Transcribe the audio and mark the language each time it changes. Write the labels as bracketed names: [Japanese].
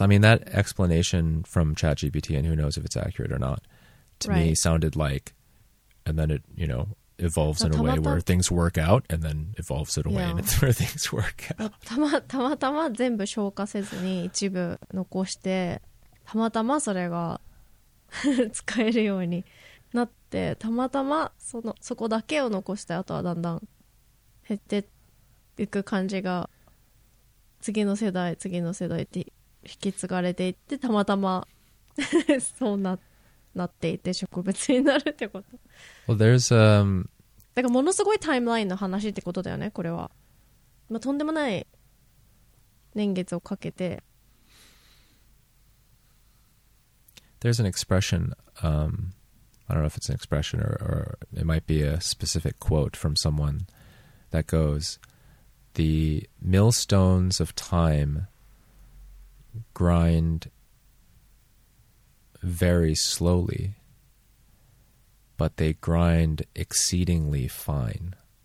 [English] I mean, that explanation from ChatGPT, and who knows if it's accurate or not, to me sounded like, and then it, you know. Evolves in a way where things work out and then evolves in a way where things work out. [Japanese] たまたま全部消化せずに一部残して、たまたまそれが使えるようになって、たまたまそこだけを残して、あとはだんだん減っていく感じが、次の世代、次の世代って引き継がれていってたまたまそうななっていて植物になるってこと。 [English] Well, there's [Japanese] だからものすごいタイムラインの話ってことだよねこれは。まあ、とんでもない年月をかけて。 [English] There's an expression. I don't know if it's an expression or it might be a specific quote from someone that goes, "The millstones of time grind very slowly, but they grind exceedingly fine."